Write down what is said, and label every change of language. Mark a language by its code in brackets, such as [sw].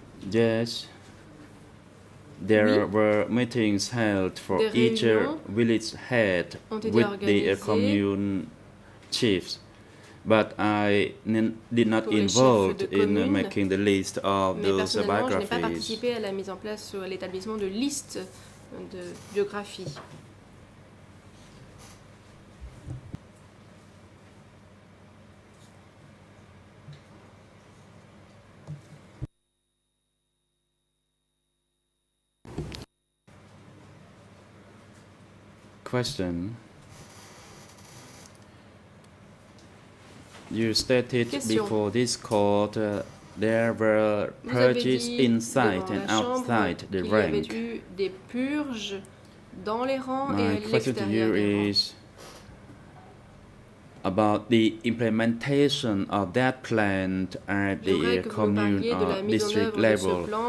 [en] Yes. There were meetings held for each village head with the commune chiefs, but I did not involve in making the list of those biographies. [fr] Je n'ai pas participé à la mise en place ou à l'établissement de listes de biographies. [en] Question. You stated before this court there were purges inside and outside the rank. [fr] Il y avait eu des purges dans les rangs [en] My [fr] et à l'extérieur [en] question to you is about the implementation of that plan at the commune or district level.